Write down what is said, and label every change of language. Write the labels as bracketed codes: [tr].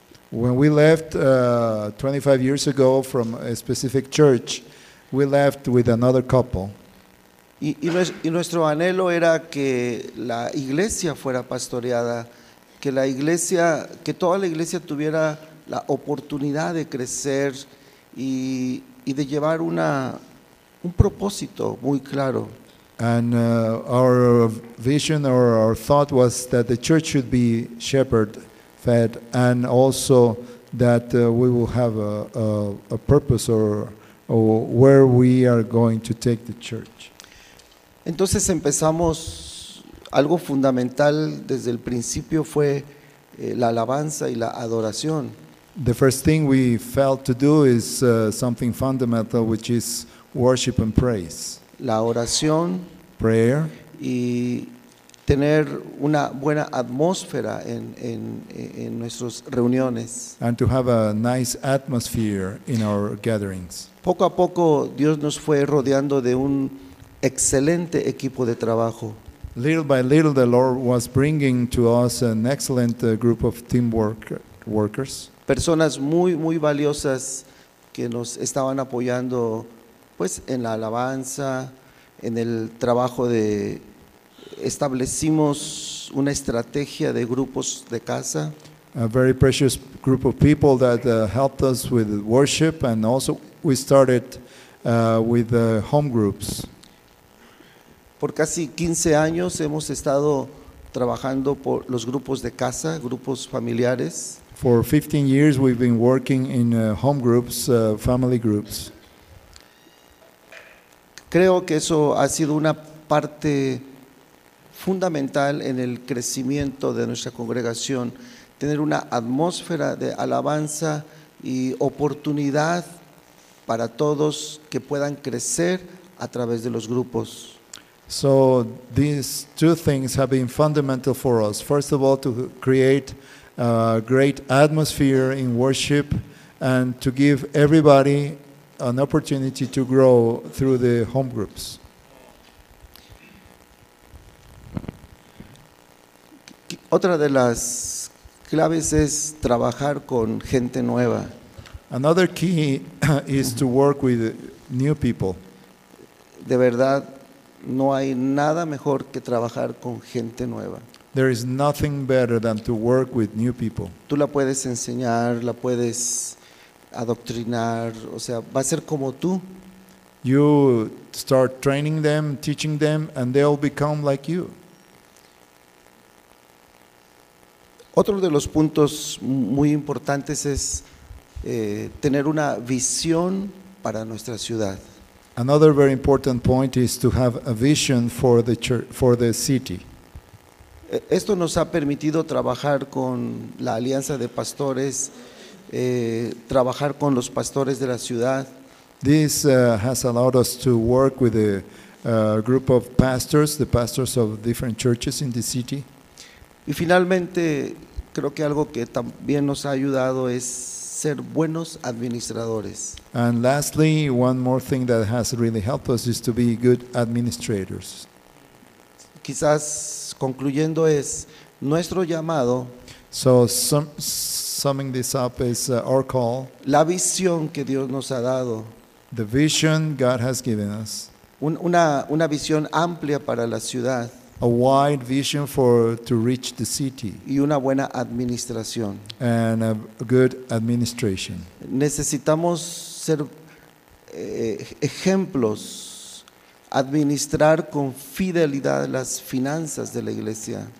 [en] When we left 25 years ago from a specific church, we left with another couple. [es] Y nuestro anhelo era que la iglesia fuera pastoreada, que toda la iglesia tuviera la oportunidad de crecer y de llevar un propósito muy claro. [en] And our vision or our thought was that the church should be shepherd fed, and also that we will have a purpose or where we are going to take the church. [es] Entonces empezamos algo fundamental desde el principio fue la alabanza y la adoración. [en] The first thing we felt to do is something fundamental, which is worship and praise. [es] La oración. [en] prayer. [es] Y tener una buena atmósfera en nuestras reuniones. [en] And to have a nice atmosphere in our gatherings. [es] Poco a poco Dios nos fue rodeando de un excelente equipo de trabajo. [en] Little by little the Lord was bringing to us an excellent group of teamwork workers. [es] Personas muy muy valiosas que nos estaban apoyando pues en la alabanza, en el trabajo de establecimos una estrategia de grupos de casa. [en] A very precious group of people that helped us with worship, and also we started with the home groups. [es] Por casi 15 años hemos estado trabajando por los grupos de casa, grupos familiares. [en] For 15 years we've been working in home groups, family groups. [es] Creo que eso ha sido una parte fundamental en el crecimiento de nuestra congregación, tener una atmósfera de alabanza y oportunidad para todos que puedan crecer a través de los grupos. [en] So these two things have been fundamental for us. First of all, to create a great atmosphere in worship and to give everybody an opportunity to grow through the home groups. [es] Otra de las claves es trabajar con gente nueva. [en] Another key is to work with new people. [es] De verdad, no hay nada mejor que trabajar con gente nueva. [en] There is nothing better than to work with new people. [es] Tú la puedes enseñar, la puedes adoctrinar, o sea, va a ser como tú. [en] You start training them, teaching them, and they'll become like you. [es] Otro de los puntos muy importantes es tener una visión para nuestra ciudad. [en] Another very important point is to have a vision for the church, for the city. [es] Esto nos ha permitido trabajar con la Alianza de Pastores, trabajar con los pastores de la ciudad. [en] This has allowed us to work with a group of pastors, the pastors of different churches in the city. [es] Y finalmente, creo que algo que también nos ha ayudado es ser buenos administradores. [en] And lastly, one more thing that has really helped us is to be good administrators. [es] Quizás concluyendo es nuestro llamado. [en] So summing this up is our call. [es] La visión que Dios nos ha dado. [en] The vision God has given us. [es] Una visión amplia para la ciudad. [en] A wide vision for to reach the city. [es] Y una buena administración. [en] And a good administration. [es] Necesitamos ser ejemplos, administrar con fidelidad las finanzas de la iglesia.